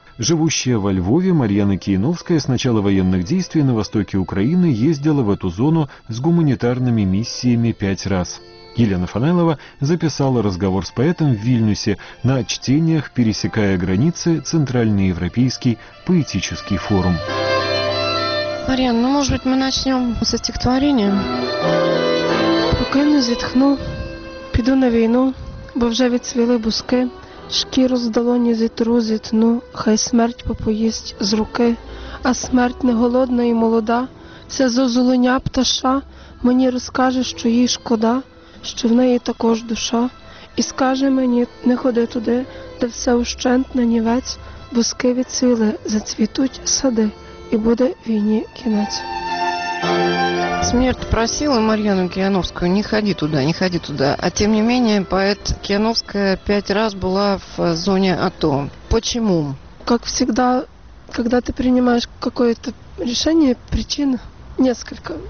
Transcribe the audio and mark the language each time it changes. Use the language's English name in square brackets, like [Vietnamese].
[Russian] Живущая во Львове, Марьяна Кияновская с начала военных действий на востоке Украины ездила в эту зону с гуманитарными миссиями 5 раз. Елена Фанайлова записала разговор с поэтом в Вильнюсе на чтениях «Пересекая границы. Центральноевропейский поэтический форум». Марьяна, ну, может быть, мы начнем со стихотворения? [Ukrainian] «Поки не зітхну, піду на війну, бо вже відцвіли буски, шкіру з долоні зітру зітну, хай смерть попоїсть з руки, а смерть не голодна і молода, це зозулення пташа, мені розкаже, що їй шкода, що в неї також душа, і скаже мені, не ходи туди, де все ущент на нівець, буски відцвіли, зацвітуть сади, і буде війні кінець». [Russian] Смерть просила Марьяну Кияновскую не ходи туда, не ходи туда. А тем не менее, поэт Кияновская 5 раз была в зоне АТО. Почему? Как всегда, когда ты принимаешь какое-то решение, причин несколько.